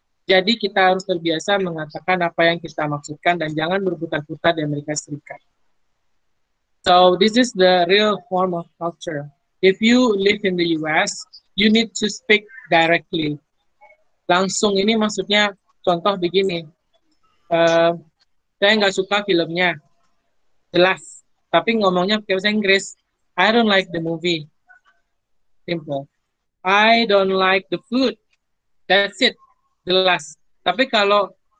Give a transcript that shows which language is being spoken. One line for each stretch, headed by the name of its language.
Indonesian: Jadi kita harus terbiasa mengatakan apa yang kita maksudkan dan jangan berputar-putar di Amerika Serikat.
English: So this is the real form of culture. If you live in the US, you need to speak directly.
Indonesian: Langsung ini maksudnya, contoh begini. Saya nggak suka filmnya, jelas. Tapi ngomongnya pakai bahasa Inggris.
English: I don't like the movie. Simple. I don't like the food. That's it,
Indonesian: jelas. Tapi kalau